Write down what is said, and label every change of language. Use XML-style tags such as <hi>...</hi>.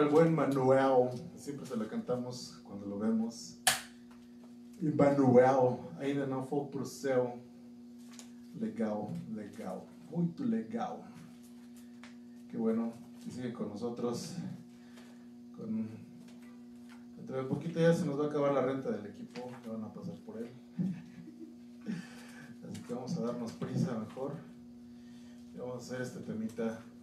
<es>Manuel, siempre se la cantamos cuando lo vemos.</es> <pt>Manuel, ainda não foi pro céu. Legal, legal, muito legal.</pt> <es>Qué bueno que sigue con nosotros. Dentro de poquito ya se nos va a acabar la renta del equipo, que van a pasar por él. Así que vamos a darnos prisa mejor. Y vamos a hacer este temita.</es>